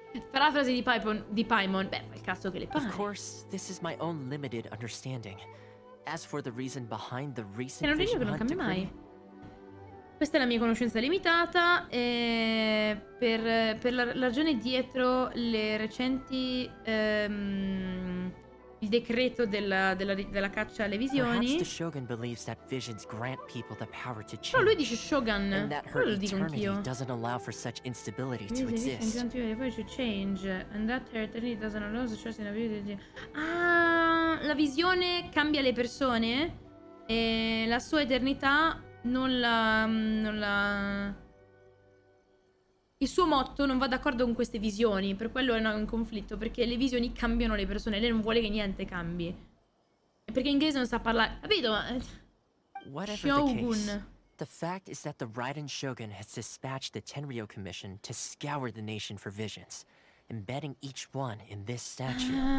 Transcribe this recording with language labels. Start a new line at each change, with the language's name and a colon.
Italian: Parafrasi di Paimon, beh, ma il cazzo che le pare.
English: Of course, this is my own limited understanding. As for the reason behind the recent...
Italian: È un regno che non cambia mai. Questa è la mia conoscenza limitata, e per la ragione dietro le recenti il decreto della caccia alle visioni.
English: Perhaps the Shogun believes that visions grant people the power to change.
Italian: Però lui dice Shogun. Però lo dico anch'io.
English: Doesn't allow for such instability to exist. Vision grant people the power to change, and that her eternity doesn't allow such instability.
Italian: Ah, la visione cambia le persone e la sua eternità non la. Il suo motto non va d'accordo con queste visioni, per quello è un conflitto, perché le visioni cambiano le persone, lei non vuole che niente cambi. Perché in inglese non sa parlare, capito?
English: Whatever Shogun. The case, the fact is that the Raiden Shogun has dispatched the Tenryo Commission to scour the nation for visions, embedding each one in this statue.